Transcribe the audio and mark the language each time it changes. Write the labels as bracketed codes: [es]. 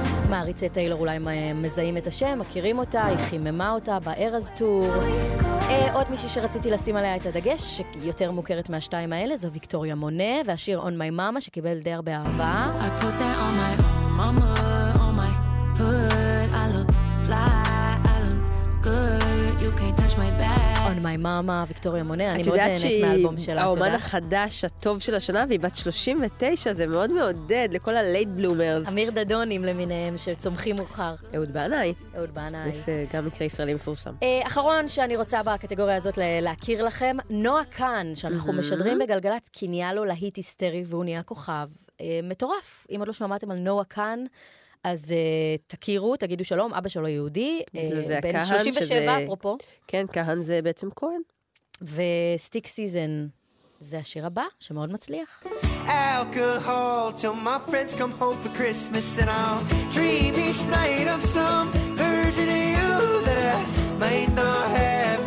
[he] מעריצי טיילור אולי מזהים את השם, מכירים אותה, היא חיממה אותה בארז טור. עוד מישהי שרציתי לשים עליה את הדגש, שיותר מוכרת מהשתיים האלה, זו ויקטוריה מונה, והשיר On My Mama, שקיבל די הרבה אהבה. [en] I put that on my mama, on my hood, I look fly, I look good, you can't touch my back. [he] On My Mama, ויקטוריה מונה, אני מאוד נהנית מהאלבום שלה, תודה. את יודעת שהיא האומן החדש הטוב של השנה, והיא בת 39, זה מאוד מעודד לכל ה-Late Bloomers. אמיר דדונים למיניהם שצומחים מאוחר. אהוד בעניי. אהוד בעניי. זה גם מקרה ישראלי מפורסם. אחרון שאני רוצה בקטגוריה הזאת להכיר לכם, נועה קאן, שאנחנו משדרים בגלגלת קנייה לו להיט היסטרי, והוא נהיה כוכב. מטורף, אם עוד לא שמעתם על נועה קאן, אז תכירו, תגידו שלום, אבא שלו יהודי, בן 37, אפרופו. כן, קהן זה בעצם כהן. וסטיק סיזן, זה השיר הבא, שמאוד מצליח. [en] Alcohol, till my friends come home for Christmas and I'll dream each night of some virgin of you that I might not have.